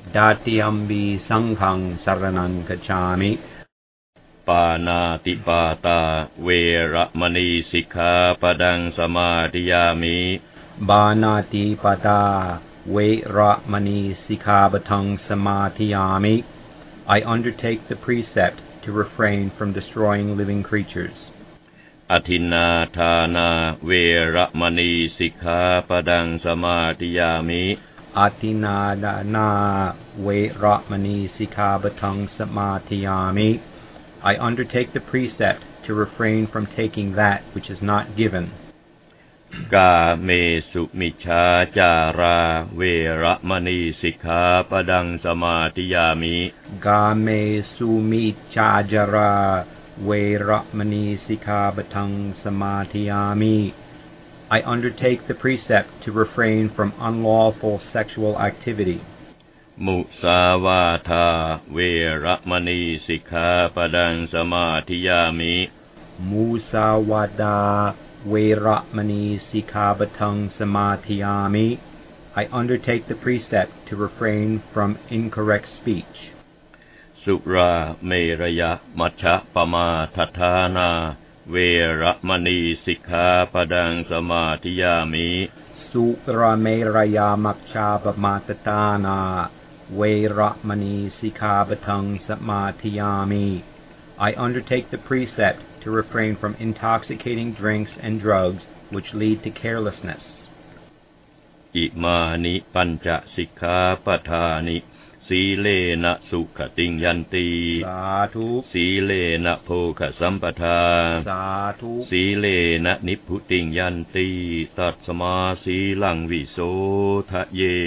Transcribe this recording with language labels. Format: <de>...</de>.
<pi>ตติยัมปีสังฆังสรณังคัจฉามิ ปานาติปาตาเวระมณีสิกขาปะฏิสัมมาทิยามิ ปานาติปาตาเวระมณีสิกขาปะฏิสัมมาทิยามิ</pi> <en>I undertake the precept to refrain from destroying living creatures.</en> <pi>อทินนาทานาเวระมณีสิกขาปะฏิสัมมาทิยามิ อทินนาทานาเวระมณีสิกขาปะฏิสัมมาทิยามิ</pi> <en>I undertake the precept to refrain from taking that which is not given.</en> <pi>กาเมสุมิชฌาจาราเวระมณีสิกขาปะฏิสัมมาทิยามิ กาเมสุมิชฌาจาราเวระมณีสิกขาปะฏิสัมมาทิยามิ</pi> <en>I undertake the precept to refrain from unlawful sexual activity.</en> <pi>มุสาวาทาเวระมณีสิกขาปะฏิสัมมาทิยามิ มุสาวาทาเวระมณีสิกขาปะฏิสัมมาทิยามิ</pi> <en>I undertake the precept to refrain from incorrect speech</en> <pi>สุราเมรยะมัชฌะปมาทัฏฐานาเวระมณีสิกขาปะฏิสัมมาทิยามิ สุราเมรยามัคชาปมาตตานาเวระมณีสิกขาปะฏิสัมมาทิยามิ</pi> <en>I undertake the precept to refrain from intoxicating drinks and drugs which lead to carelessness</en> <pi>อิมานิปัญจสิกขาปทานิสีเลนะสุขติงยันติ สาธุ สีเลนะโภคสัมปทา สาธุ สีเลนะนิพพุติงยันติตัสสมาสีลังวิโสทะเย</pi>